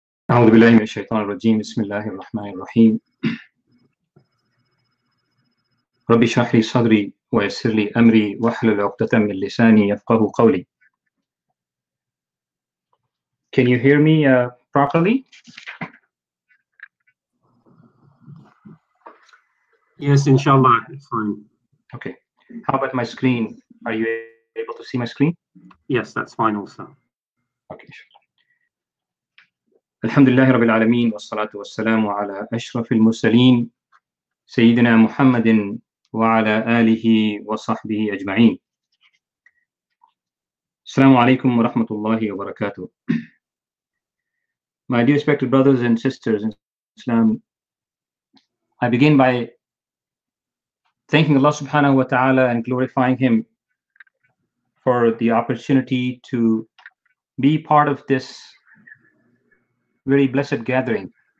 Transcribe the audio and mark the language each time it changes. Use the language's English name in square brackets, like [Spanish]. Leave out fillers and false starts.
[Arabic] أعوذ بالله من الشيطان الرجيم بسم الله الرحمن الرحيم ربي اشرح لي صدري ويسر لي أمري واحلل عقدة من لساني يفقه قولي. [English] Can you hear me properly? Yes, inshallah, fine. Okay. How about my screen? Are you able to see my screen? Yes, that's fine also. Okay. [Arabic] الحمد لله رب العالمين والصلاة والسلام على أشرف المرسلين سيدنا محمد وعلى آله وصحبه أجمعين. السلام عليكم ورحمة الله وبركاته. [English] My dear respected brothers and sisters in Islam, I begin by thanking Allah subhanahu wa ta'ala and glorifying Him for the opportunity to be part of this very blessed gathering.